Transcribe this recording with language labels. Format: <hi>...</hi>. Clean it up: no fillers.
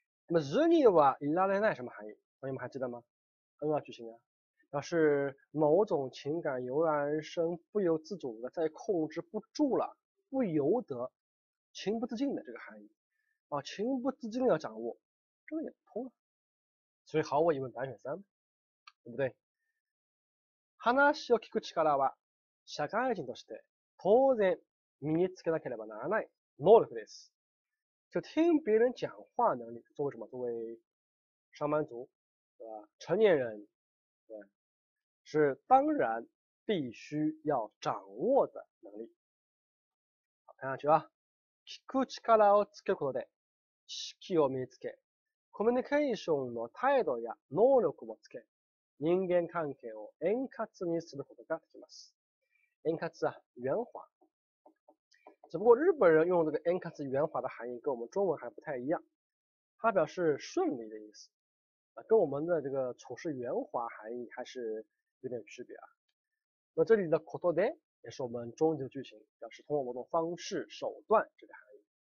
<zh>那么日尼瓦伊拉奈奈什么含义？朋友们还记得吗？N 二句型啊，表示某种情感油然而生，不由自主的在控制不住了，不由得，情不自禁的这个含义啊，情不自禁的要掌握，这个也不通啊。所以毫无疑问，答案选三，对不对？</zh> <ja>話を聞く力は社会人として当然身につけなければならない能力です。</ja> <zh>就听别人讲话能力，作为什么？作为上班族，对吧？成年人，对，是当然必须要掌握的能力。好，看下去啊。</zh> <ja>聞く力をつけることで、知識を身につけ、コミュニケーションの態度や能力もつけ、人間関係を円滑にすることができます。</ja> <zh>円滑啊，圆滑。只不过日本人用这个 enkatsu 圆滑的含义跟我们中文还不太一样，它表示顺利的意思，跟我们的这个处事圆滑含义还是有点区别啊。那这里的 kotode 也是我们终极句型，表示通过某种方式、手段这个含义。</zh>